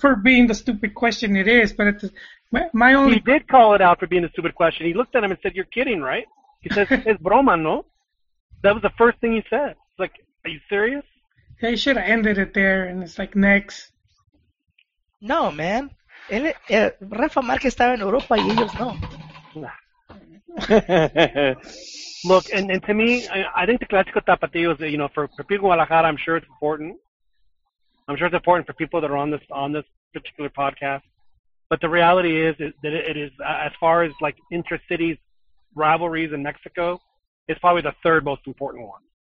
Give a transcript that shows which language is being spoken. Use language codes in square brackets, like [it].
[en] For being the stupid question it is. But it's my only... He did call it out for being a stupid question. He looked at him and said, you're kidding, right? He says, [es] es broma, no? [en] That was the first thing he said. It's like, are you serious? They should have ended it there, and it's like, next. No, man. [es] Rafa Márquez estaba en Europa y ellos no. [en] Look, and to me, I think the Clásico Tapatío is, you know, for people in Guadalajara, I'm sure it's important. I'm sure it's important for people that are on this particular podcast. But the reality is that it is, as far as like intra-cities rivalries in Mexico, it's probably the third most important one.